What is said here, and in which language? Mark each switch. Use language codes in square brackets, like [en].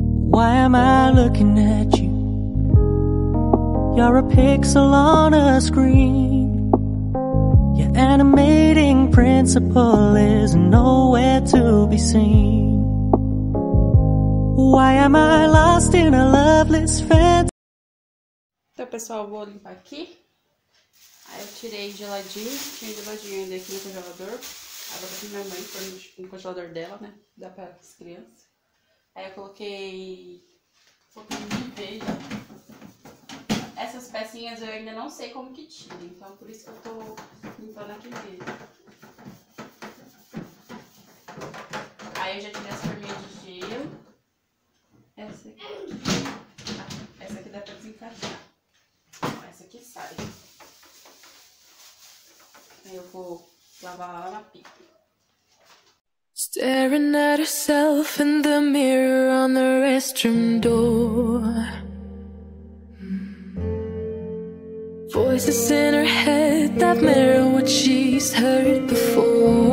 [en] Why am I looking at you? You're a pixel on a screen. Your animating principle is nowhere to be seen. Why am I lost in a loveless fantasy? [pt] Então, pessoal, eu vou limpar aqui. Aí eu tirei geladinho. Tinha geladinho ainda aqui no congelador. Agora tem minha mãe, foi no congelador dela, né? Dá para as crianças. Aí eu coloquei um pouquinho de veja. Essas pecinhas eu ainda não sei como que tira. Então, por isso que eu tô limpando aqui mesmo. Aí eu já tirei as forminhas de gelo. Essa aqui dá pra desencaixar. Essa aqui sai. Aí eu vou lavar ela na pia. [en] Staring at herself in the mirror on the restroom door. Voices in her head that mirror what she's heard before.